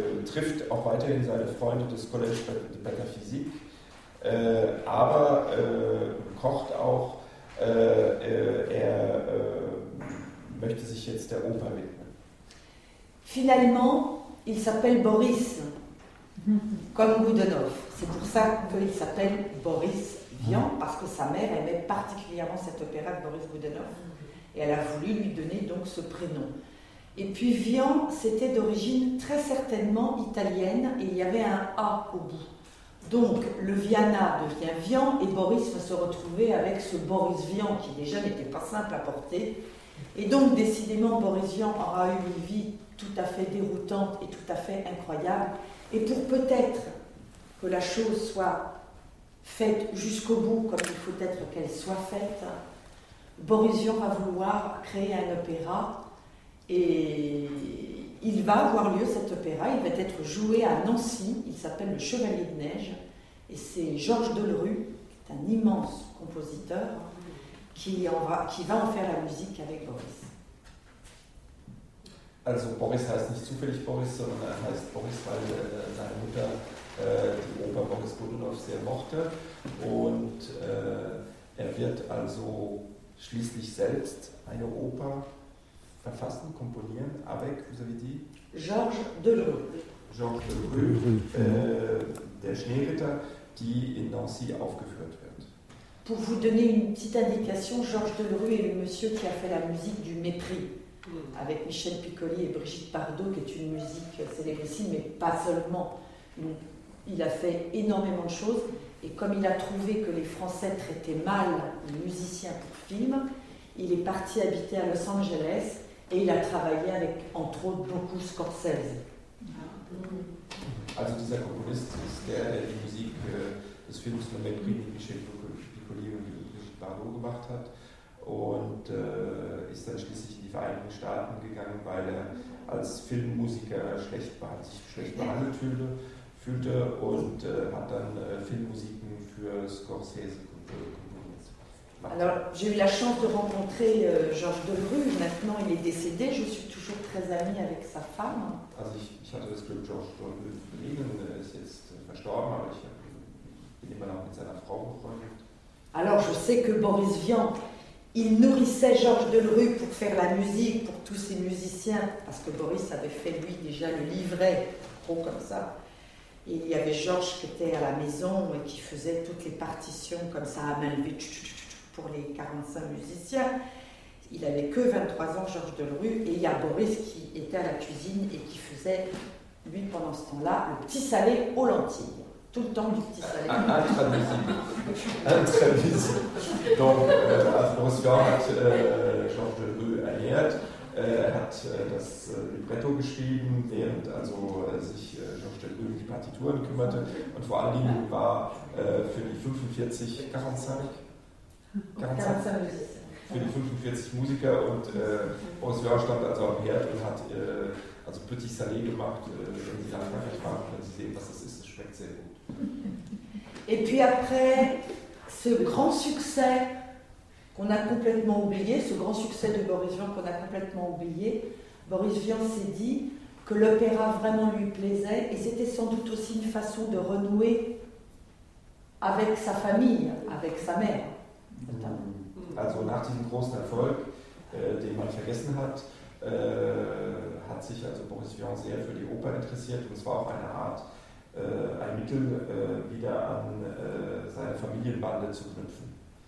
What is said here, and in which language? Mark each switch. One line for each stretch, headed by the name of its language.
German: Trifft auch weiterhin seine Freunde des College de Pataphysik, aber kocht auch, er möchte sich jetzt der Oper widmen.
French: Finalement, il s'appelle Boris, comme Goudonov. C'est pour ça qu'il s'appelle Boris Vian, parce que sa mère aimait particulièrement cet opéra de Boris Goudonov, et elle a voulu lui donner donc ce prénom. Et puis Vian, c'était d'origine très certainement italienne, et il y avait un A au bout. Donc le Viana devient Vian, et Boris va se retrouver avec ce Boris Vian, qui déjà n'était pas simple à porter. Et donc décidément, Boris Vian aura eu une vie tout à fait déroutante et tout à fait incroyable. Et pour peut-être que la chose soit faite jusqu'au bout, comme il faut être qu'elle soit faite, Boris Vian va vouloir créer un opéra. Et il va avoir lieu cet opéra, il va être joué à Nancy, il s'appelle Le Chevalier de Neige. Et c'est Georges Delerue, qui est un immense compositeur, qui va en faire la musique avec Boris.
German: Also Boris heißt nicht zufällig Boris, sondern er heißt Boris, weil seine Mutter die Oper Boris Godunov sehr mochte. Und er wird also schließlich selbst eine Oper verfassen, komponieren,
French: avec, vous avez dit? Georges Delerue.
German: Georges Delerue, der Schneeritter, die in Nancy aufgeführt wird.
French: Pour vous donner une petite indication, Georges Delerue est le monsieur qui a fait la musique du Mépris, avec Michel Piccoli et Brigitte Bardot, qui est une musique célébrissime, mais pas seulement. Donc, il a fait énormément de choses, et comme il a trouvé que les Français traitaient mal les musiciens pour films, il est parti habiter à Los Angeles, et il a travaillé avec, entre autres, beaucoup Scorsese.
German: Also dieser Komponist ist der, der die Musik des Films Le Mépris, die Michel Piccoli und Brigitte Bardot gemacht hat, und ist dann schließlich in die Vereinigten Staaten gegangen, weil er als Filmmusiker sich schlecht behandelt fühlte und hat dann Filmmusiken für Scorsese komponiert.
French: Alors, j'ai eu la chance de rencontrer Georges Delerue. Maintenant, il est décédé. Je suis toujours très amie avec sa femme.
German: Also ich hatte das Glück, Georges Delerue zu begegnen. Er ist jetzt verstorben, aber ich bin immer noch mit seiner Frau befreundet.
French: Alors, je sais que Boris Vian, il nourrissait Georges Delerue pour faire la musique pour tous ses musiciens, parce que Boris avait fait lui déjà le livret gros comme ça. Et il y avait Georges qui était à la maison et qui faisait toutes les partitions comme ça à main levée pour les 45 musiciens. Il n'avait que 23 ans, Georges Delerue, et il y a Boris qui était à la cuisine et qui faisait, lui, pendant ce temps-là, le petit salé aux lentilles. Tout le temps du petit salé. Intraduisible. Donc,
German: Boris Vian hat Georges Delerue ernährt. Er hat das Libretto geschrieben, während also sich Georges Delerue um die Partituren kümmerte. Und vor allen Dingen war für die 45 Musiker und Boris Vian stand also am Herd und hat also Petit Salé gemacht, wenn sie dann fertig waren, können sie sehen, was das ist. Es schmeckt sehr gut.
French: Et puis après ce grand succès qu'on a complètement oublié, ce grand succès de Boris Vian qu'on a complètement oublié, Boris Vian s'est dit que l'opéra vraiment lui plaisait et c'était sans doute aussi une façon de renouer avec sa famille, avec sa mère.
German: Also nach diesem großen Erfolg, den man vergessen hat, hat sich also Boris Vian sehr für die Oper interessiert und es war auch eine Art, ein Mittel, wieder an seine Familienbande zu knüpfen.